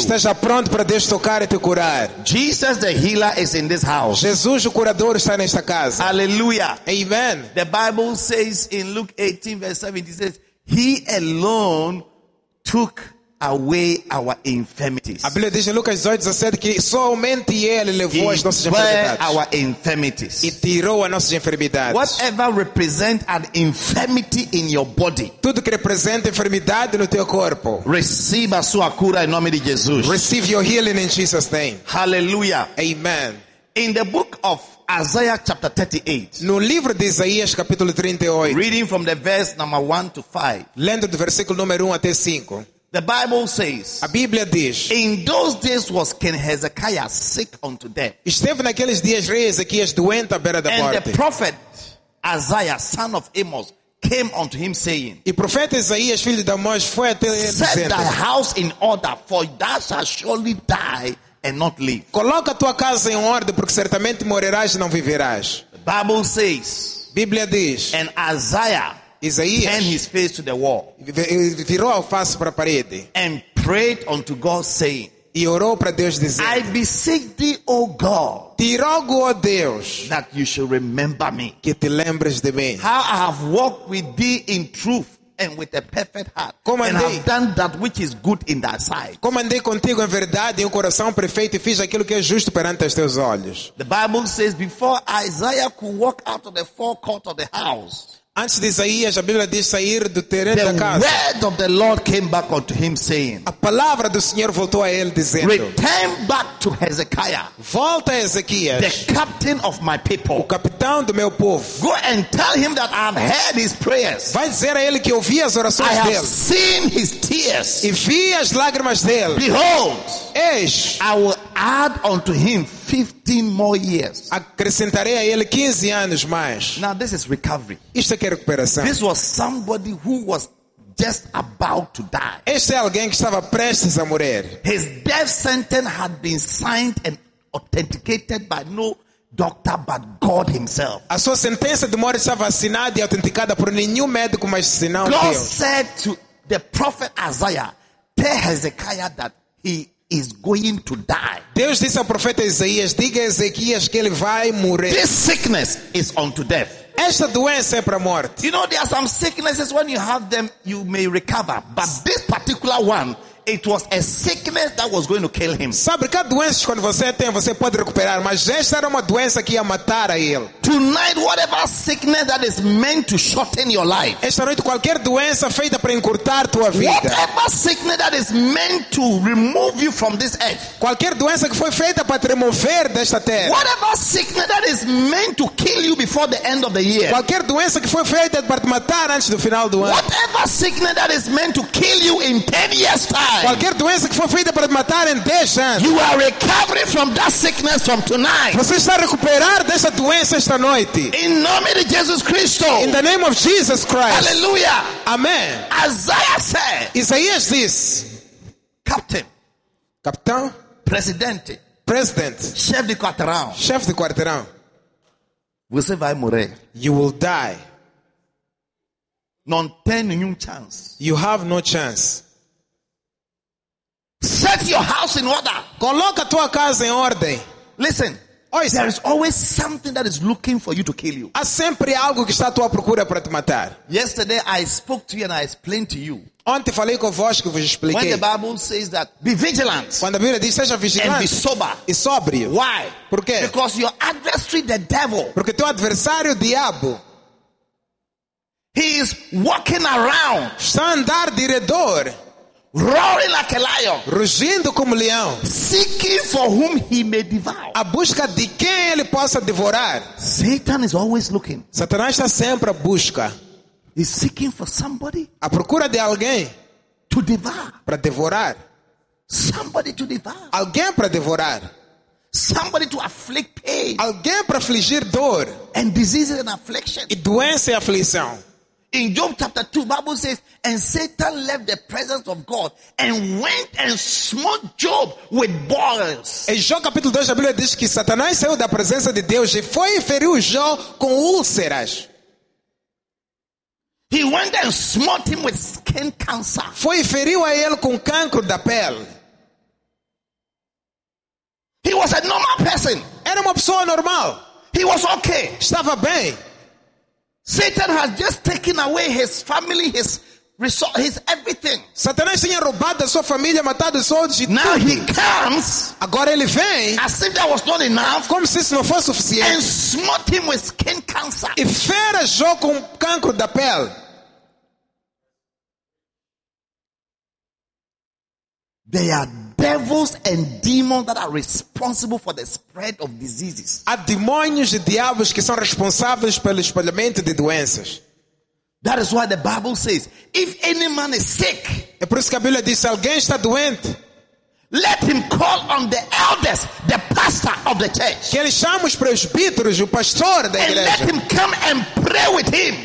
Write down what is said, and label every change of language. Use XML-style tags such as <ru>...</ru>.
<pt>Esteja pronto para Deus tocar e te curar.</pt> <en>Jesus the healer is in this house.</en> <pt>Jesus o curador está nesta casa.</pt> <en>Hallelujah. Amen. The Bible says in Luke 18 verse 17, he alone took away our infirmities.</en> <pt>A Bíblia diz em Lucas 18, 17 que somente Ele levou as nossas enfermidades.</pt> <en>Our infirmities.</en> <pt>E tirou as nossas enfermidades.</pt> <en>Whatever represents an infirmity in your body.</en> <pt>Tudo que representa enfermidade no teu corpo.</pt> <en>Receive</en> <pt>a sua cura em nome de Jesus.</pt> <en>Receive your healing in Jesus' name. Hallelujah. Amen. In the book of Isaiah chapter 38.</en> <pt>No livro de Isaías capítulo 38.</pt> <en>Reading from the verse number 1 to 5.</en> <pt>Lendo do versículo número 1 até 5.</pt> <en>The Bible says,</en> <pt>a Bíblia diz,</pt> <en>in those days was King Hezekiah sick unto death.</en> <pt>Esteve naqueles dias rei Ezequias doente à beira da morte.</pt> <en>And the prophet Isaiah, son of Amos, came unto him saying,</en> <pt>e profeta Isaías, filho de Amós, foi até ele</pt> <en>set</en> <pt>dizendo,</pt> <en>thy house in order, for thou shalt surely die and not live.</en> <pt>Coloca tua casa em ordem, porque certamente morrerás e não viverás.</pt> <en>The Bible says,</en> <pt>Bíblia diz,</pt> <en>and Isaiah,</en> <pt>Isaías,</pt> <en>turned his face to the wall,</en> <pt>virou a face para a parede,</pt> <en>and prayed unto God, saying,</en> <pt>e orou para Deus dizendo,</pt> <en>I beseech thee, O God,</en> <pt>te rogo, ó Deus,</pt> <en>that you should remember me,</en> <pt>que te lembres de mim,</pt> <en>how I have walked with thee in truth and with a perfect heart,</en> <pt>como</pt> <en>and have done that which is good in thy sight.</en> <pt>Como andei contigo em verdade, em um coração perfeito, e fiz aquilo que é justo perante os teus olhos.</pt> <en>The Bible says, before Isaiah could walk out of the forecourt of the house.</en> <pt>Antes de Isaías, a Bíblia diz sair do terreno da casa.</pt> <en>The word of the Lord came back unto him saying.</en> <pt>A palavra do Senhor voltou a ele dizendo.</pt> <en>Return back to Hezekiah.</en> <pt>Volta a Ezequias.</pt> <en>The captain of my people.</en> <pt>O capitão do meu povo.</pt> <en>Go and tell him that I've heard his prayers.</en> <pt>Vai dizer a ele que ouvi as orações dele.</pt> <en>I have seen his tears.</en> <pt>E vi as lágrimas dele.</pt> <en>Behold.</en> <pt>Eis.</pt> <en>I will add unto him 15 more years.</en> <pt>Acrescentarei a ele 15 anos mais.</pt> <en>Now this is recovery.</en> <pt>Isto é recuperação.</pt> <en>This was somebody who was just about to die.</en> <pt>Este é alguém que estava prestes a morrer.</pt> <en>His death sentence had been signed and authenticated by no doctor but God himself.</en> <pt>A sua sentença de morte estava assinada e autenticada por nenhum médico mas senão</pt> <en>God</en> <pt>Deus.</pt> <en>God said to the prophet Isaiah, tell Hezekiah that he is going to die.</en> <pt>Deus disse ao profeta Isaías, diga a Ezequias que ele vai morrer.</pt> <en>This sickness is unto death.</en> <pt>Esta doença é para morte.</pt> <en>You know there are some sicknesses when you have them you may recover, but this particular one, it was a sickness that was going to kill him.</en> <pt>Sabe que doenças quando você tem você pode recuperar, mas esta era uma doença que ia matar a ele.</pt> <en>Tonight, whatever sickness that is meant to shorten your life.</en> <pt>Esta noite qualquer doença feita para encurtar tua vida.</pt> <en>Whatever sickness that is meant to remove you from this earth.</en> <pt>Qualquer doença que foi feita para te remover desta terra.</pt> <en>Whatever sickness that is meant to kill you before the end of the year.</en> <pt>Qualquer doença que foi feita para te matar antes do final do ano.</pt> <en>Whatever sickness that is meant to kill you in 10 years time.</en> <pt>Qualquer doença que foi feita para te matar em 10 anos.</pt> <en>You are recovering from that sickness from tonight.</en> <pt>Você está a recuperar dessa doença esta noite.</pt> <en>In</en> <pt>nome de Jesus Cristo.</pt> <en>In the name of Jesus Christ. Hallelujah. Amen. Isaiah said.</en> <pt>Isaías disse.</pt> <en>Captain.</en> <pt>Capitão. Presidente.</pt> <en>President.</en> <pt>Chef de quarteirão. Chef de quarteirão. Você vai morrer.</pt> <en>You will die.</en> <pt>Não tem nenhum chance.</pt> <en>You have no chance. Set your house in order.</en> <pt>Coloca tua casa em ordem.</pt> <en>Listen.</en> <pt>Ouça.</pt> <en>There is always something that is looking for you to kill you.</en> <pt>Há sempre algo que está à tua procura para te matar.</pt> <en>Yesterday I spoke to you and I explained to you.</en> <pt>Ontem falei convosco e vos expliquei.</pt> <en>When the Bible says that, be vigilant.</en> <pt>Quando a Bíblia diz seja vigilante.</pt> <en>And be sober.</en> <pt>E sóbrio.</pt> <en>Why?</en> <pt>Por quê?</pt> <en>Because your adversary, the devil.</en> <pt>Porque teu adversário, o diabo.</pt> <en>He is walking around.</en> <pt>Está a andar de redor.</pt> <en>Roaring like a lion.</en> <pt>Rugindo como leão.</pt> <en>Seeking for whom he may devour.</en> <pt>A busca de quem ele possa devorar.</pt> <en>Satan is always looking.</en> <pt>Satanás está sempre à busca.</pt> <en>He's seeking for somebody.</en> <pt>À procura de alguém.</pt> <en>To devour.</en> <pt>Para devorar.</pt> <en>Somebody to devour.</en> <pt>Alguém para devorar.</pt> <en>Somebody to afflict pain.</en> <pt>Alguém para afligir dor.</pt> <en>And disease and affliction.</en> <pt>E doença e aflição.</pt> <en>In Job chapter 2, Bible says, and Satan left the presence of God and went and smote Job with boils.</en> <pt>Em Jó capítulo 2, a Bíblia diz que Satanás saiu da presença de Deus e foi e feriu Jó com úlceras.</pt> <en>He went and smote him with skin cancer.</en> <pt>Foi e feriu a ele com cancro da pele.</pt> <en>He was a normal person.</en> <pt>Era uma pessoa normal.</pt> <en>He was okay.</en> <pt>Estava bem.</pt> <en>Satan has just taken away his family, his resort, his everything.</en> <pt>Satanás tinha roubado a sua família, matado os outros.</pt> <en>Now he comes.</en> <pt>Agora ele vem.</pt> <en>As if that was not enough.</en> <pt>Como se isso não fosse suficiente.</pt> <en>And smote him with skin cancer.</en> <pt>E fere Jó com cancro da pele.</pt> <en>They are devils and demons that are responsible for the spread of diseases.</en> <pt>Há demônios e diabos que são responsáveis pelo espalhamento de doenças.</pt> <en>That is why the Bible says, if any man is sick,</en> <pt>é por isso que a Bíblia diz, se alguém está doente,</pt> <en>let him call on the elders, the pastor of the church.</en> <pt>Que ele chame os presbíteros, o pastor da igreja.</pt> <en>And let him come and pray with him.</en>